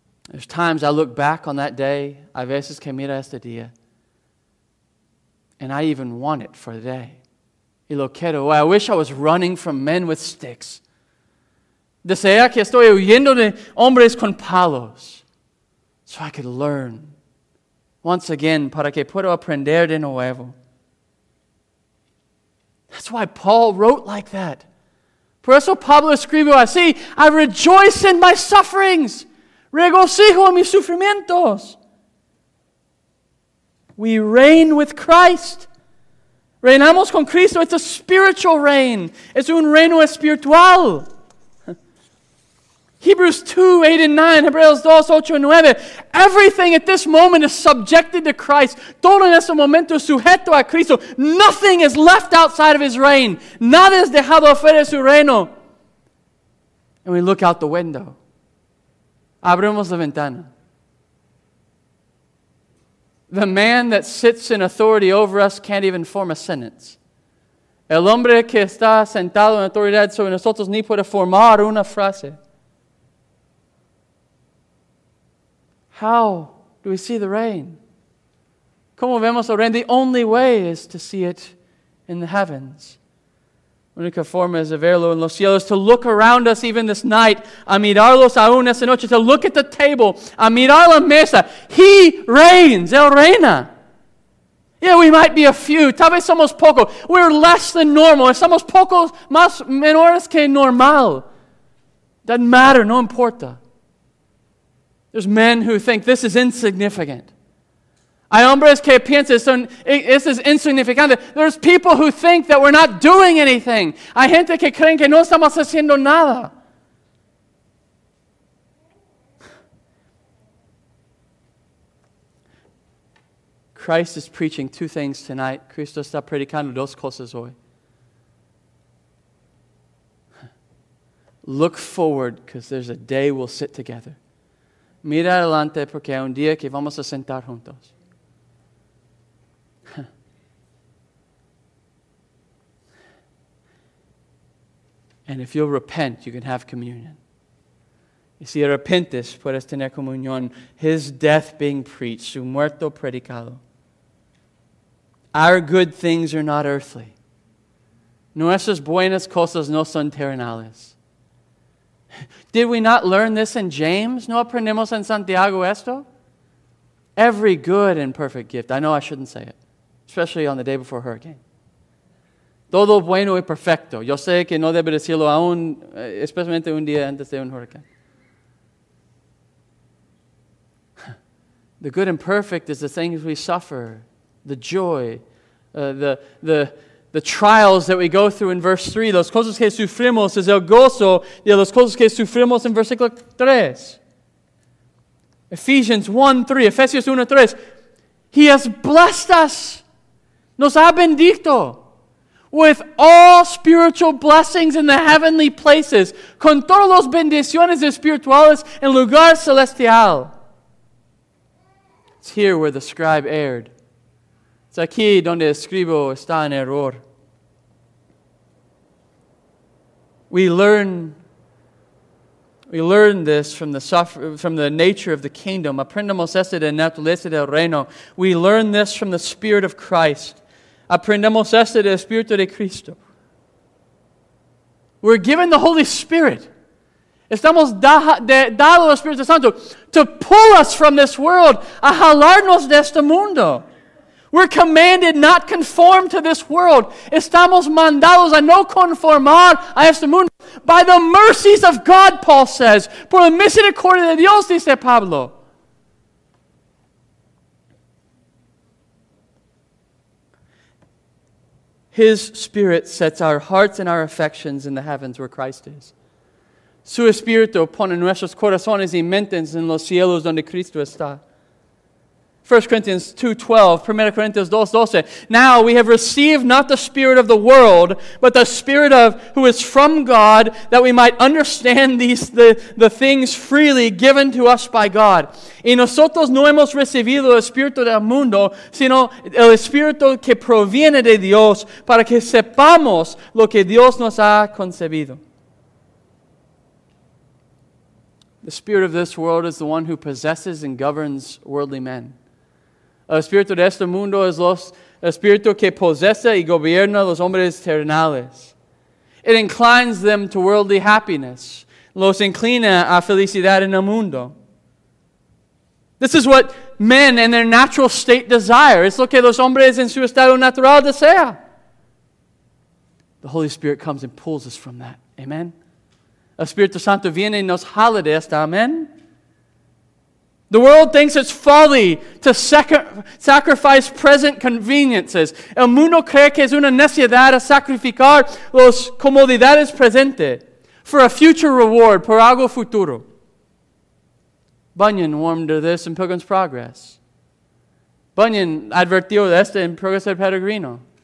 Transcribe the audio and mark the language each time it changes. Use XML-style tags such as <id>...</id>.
<en>There's times I look back on that day,</en> <es>a veces que mira este día,</es> <en>and I even want it for the day.</en> <es>Y lo quiero.</es> <en>I wish I was running from men with sticks.</en> <es>Desea que estoy huyendo de hombres con palos,</es> <en>so I could learn. Once again,</en> <es>para que pueda aprender de nuevo.</es> <en>That's why Paul wrote like that.</en> <es>Por eso Pablo escribió así.</es> <en>I rejoice in my sufferings.</en> <es>Regocijo en mis sufrimientos.</es> <en>We reign with Christ.</en> <es>Reinamos con Cristo.</es> <en>It's a spiritual reign.</en> <es>Es un reino espiritual.</es> <en>Hebrews 2, 8 and 9. Hebreos 2, 8 and 9. Everything at this moment is subjected to Christ.</en> <es>Todo en ese momento es sujeto a Cristo.</es> <en>Nothing is left outside of His reign.</en> <es>Nada es dejado fuera de su reino.</es> <en>And we look out the window.</en> <es>Abrimos la ventana.</es> <en>The man that sits in authority over us can't even form a sentence.</en> <es>El hombre que está sentado en autoridad sobre nosotros ni puede formar una frase.</es> <en>How do we see the rain?</en> <es>¿Cómo vemos el rain?</es> <en>The only way is to see it in the heavens.</en> <es>La única forma es de verlo en los cielos,</es> <en>to look around us even this night,</en> <es>a mirarlos aún esa noche,</es> <en>to look at the table,</en> <es>a mirar la mesa.</es> <en>He reigns,</en> <es>Él reina.</es> <en>Yeah, we might be a few,</en> <es>tal vez somos pocos,</es> <en>we're less than normal,</en> <es>somos pocos más menores que normal.</es> <en>Doesn't matter,</en> <es>no importa.</es> <en>There's men who think this is insignificant.</en> <es>Hay hombres que piensan,</es> <en>this is insignificant. There's people who think that we're not doing anything.</en> <es>Hay gente que creen que no estamos haciendo nada.</es> <en>Christ is preaching two things tonight.</en> <es>Cristo está predicando dos cosas hoy.</es> <en>Look forward, because there's a day we'll sit together.</en> <es>Mira adelante, porque hay un día que vamos a sentar juntos.</es> <en>And if you'll repent, you can have communion.</en> <es>Y si arrepentes, puedes tener comunión.</es> <en>His death being preached,</en> <es>su muerto predicado.</es> <en>Our good things are not earthly.</en> <es>Nuestras buenas cosas no son terrenales.</es> <en>Did we not learn this in James?</en> <es>¿No aprendimos en Santiago esto?</es> <en>Every good and perfect gift. I know I shouldn't say it. Especially on the day before a hurricane.</en> <es>Todo bueno y perfecto. Yo sé que no debe decirlo aún, especialmente un día antes de un huracán.</es> <en>The good and perfect is the things we suffer, the joy, the trials that we go through in verse 3.</en> <es>Los cosas que sufrimos es el gozo de las cosas que sufrimos en versículo 3.</es> <en>Ephesians 1, 3. Ephesians 1, 3. He has blessed us.</en> <es>Nos ha bendito.</es> <en>With all spiritual blessings in the heavenly places.</en> <es>Con todas las bendiciones espirituales en lugar celestial.</es> <en>It's here where the scribe erred.</en> <es>Es aquí donde el escribo está en error.</es> <en>We learn this from the nature of the kingdom.</en> <es>Aprendemos esto de naturaleza del reino.</es> <en>We learn this from the Spirit of Christ.</en> <es>Aprendemos esto del Espíritu de Cristo.</es> <en>We're given the Holy Spirit.</en> <es>Estamos dado el Espíritu Santo</es> <en>to pull us from this world,</en> <es>a jalarnos de este mundo.</es> <en>We're commanded not conform to this world.</en> <es>Estamos mandados a no conformar a este mundo.</es> <en>By the mercies of God, Paul says.</en> <es>Por la misericordia de Dios, dice Pablo.</es> <en>His Spirit sets our hearts and our affections in the heavens where Christ is.</en> <es>Su Espíritu pone nuestros corazones y mentes en los cielos donde Cristo está.</es> <en>1 Corinthians 2:12, 1 Corinthians 2:12. Now we have received not the spirit of the world, but the spirit of who is from God, that we might understand these the things freely given to us by God.</en> <es>Y nosotros no hemos recibido el espíritu del mundo, sino el espíritu que proviene de Dios, para que sepamos lo que Dios nos ha concedido.</es> <en>The spirit of this world is the one who possesses and governs worldly men.</en> <es>El espíritu de este mundo es el espíritu que posee y gobierna los hombres terrenales.</es> <en>It inclines them to worldly happiness.</en> <es>Los inclina a felicidad en el mundo.</es> <en>This is what men in their natural state desire.</en> <es>Es lo que los hombres en su estado natural desea.</es> <en>The Holy Spirit comes and pulls us from that. Amen.</en> <es>El Espíritu Santo viene y nos jala de esta.</es> <en>Amen. The world thinks it's folly to sacrifice present conveniences.</en> <es>El mundo cree que es una necedad a sacrificar las comodidades presentes</es> <en>for a future reward,</en> <es>por algo futuro.</es> <en>Bunyan warned of this in Pilgrim's Progress.</en> <es>Bunyan advertió de esto en Progreso Peregrino.</es>